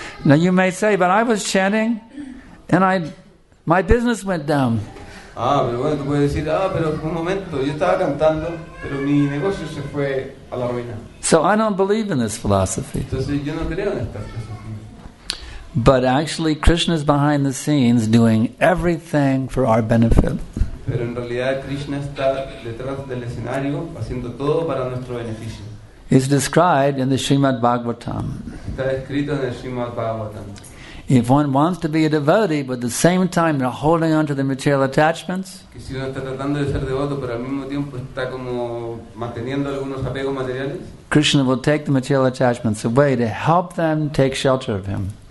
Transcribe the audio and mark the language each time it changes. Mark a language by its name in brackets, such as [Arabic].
[English] Now you may say, but I was chanting and my business went down. [Spanish] Ah, pero bueno, tú puedes decir, ah, pero un momento, yo estaba cantando, pero mi negocio se fue a la ruina. [English] So I don't believe in this philosophy. [Spanish] Entonces yo no creo en esta filosofía. [English] But actually, Krishna is behind the scenes doing everything for our benefit. [Spanish] Pero en realidad Krishna está detrás del escenario haciendo todo para nuestro beneficio. [English] It's described in the Srimad Bhagavatam. [Spanish] Está escrito en el Srimad Bhagavatam. [English] If one wants to be a devotee, but at the same time they're holding on to the material attachments, Krishna will take the material attachments away to help them take shelter of Him.